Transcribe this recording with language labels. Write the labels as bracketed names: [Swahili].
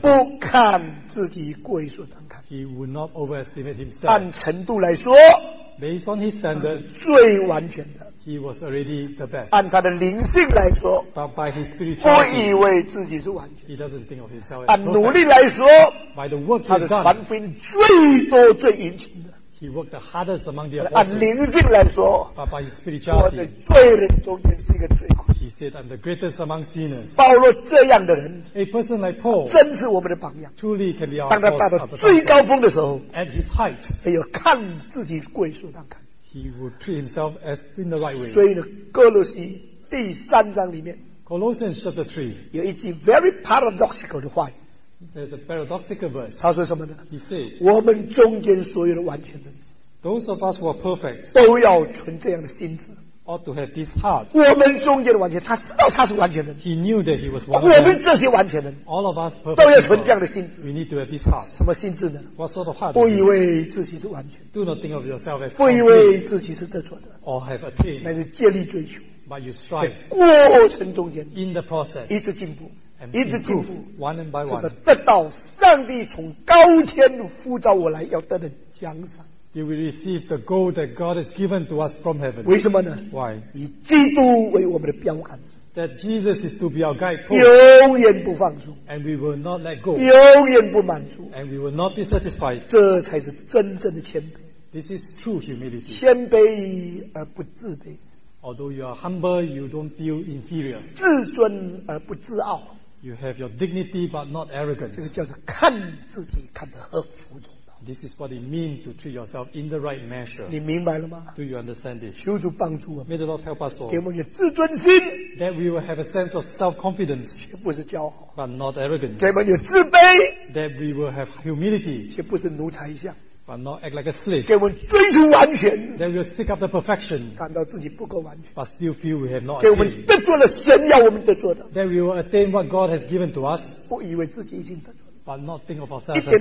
[Chinese] 不看自己过于所当看。 [English] He would not overestimate himself. [Chinese] 按程度来说 [English] based on his standard, [Chinese] 最完全的。 [English] He was already the best. [Chinese] 按他的灵性来说， [English] but by his spirituality, [Chinese] 不以为自己是完全。 [English] He doesn't think of himself. [Chinese] 按努力来说， [English] by the work he's done, [Chinese] 他是传福音最多最殷勤的。 [English] He worked the hardest among the apostles. [Chinese] 按灵性来说， [English] but by his spirituality, [Chinese] 我在罪人中间是一个罪魁。 [English] He said, I'm the greatest among sinners. [Chinese] 保罗这样的人， [English] a person like Paul, [Chinese] 真是我们的榜样。 [English] Truly can be our [Chinese] 当他达到最高峰的时候， [English] at his height, [Chinese] 还有看自己贵属当看。 [English] He will treat himself as in the right way. [Chinese] 所以呢，哥罗西第三章里面， [English] Colossians chapter 3, [Chinese] 有一句 [English] very paradoxical [Chinese] 的话。 [English] There's a paradoxical verse. [Chinese] 他说什么呢？ [English] He said, [Chinese] 我们中间所有的完全人， [English] those of us who are perfect, [Chinese] 都要存这样的心智。 [English] Ought to have this heart. [Chinese] 我们中间的完全，他知道他是完全人。 [English] He knew that he was one of them. [Chinese] 我们这些完全人， [English] all of us perfect, [Chinese] 都要存这样的心智。 [English] We need to have this heart. [Chinese] 什么心智呢？ [English] What sort of heart? [Chinese] 不以为自己是完全。 [English] Do not think of yourself as [Chinese] 不以为自己是得着的。 [English] Or have attained. [Chinese] 乃是竭力追求。 [English] But you strive. [Chinese] 在过程中间， [English] in the process, [Chinese] 一直进步， [English] and [Chinese] 一直进步， [English] one and by one. [Chinese] 这个得到上帝从高天呼召我来要得的奖赏。 [English] You will receive the gold that God has given to us from heaven. [Chinese] 为什么呢？ [English] Why? [Chinese] 以基督为我们的标杆。 [English] That Jesus is to be our guidepost. [Chinese] 永远不放松。 [English] And we will not let go. [Chinese] 永远不满足。 [English] And we will not be satisfied. [Chinese] 这才是真正的谦卑。 [English] This is true humility. [Chinese] 谦卑而不自卑。 [English] Although you are humble, you don't feel inferior. [Chinese] 自尊而不自傲。 [English] You have your dignity but not arrogant. [Chinese] 这个叫做看自己看得合乎中。 [English] This is what it means to treat yourself in the right measure. [Chinese] 你明白了吗？ [English] Do you understand this? [Chinese] 求主帮助我们。 [English] May the Lord help us all. [Chinese] 给我们一个自尊心。 [English] That we will have a sense of self-confidence. [Chinese] 却不是骄傲。 [English] But not arrogance. [Chinese] 给我们一个自卑。 [English] That we will have humility. [Chinese] 却不是奴才相。 [English] But not act like a slave. [Chinese] 给我们追求完全。 [English] That we will seek after perfection. [Chinese] 感到自己不够完全。 [English] But still feel we have not [Chinese] 给我们得做了神要我们得做的。 [English] That we will attain what God has given to us. [Chinese] 不以为自己已经得做。 [English] But not think of ourselves as